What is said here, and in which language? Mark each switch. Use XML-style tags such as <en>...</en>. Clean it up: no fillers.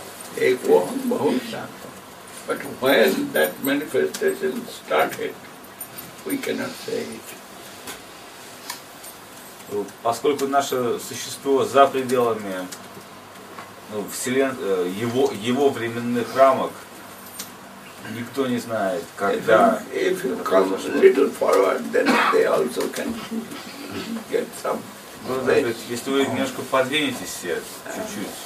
<en>But when that manifestation started, we cannot say it.</en> <ru>Поскольку наше существо за пределами вселенной, его временных рамок, никто не знает, когда.</ru> <en>If you come a little forward, then they also can get some.</en> <ru>Если вы немножко подвинетесь все чуть-чуть.</ru>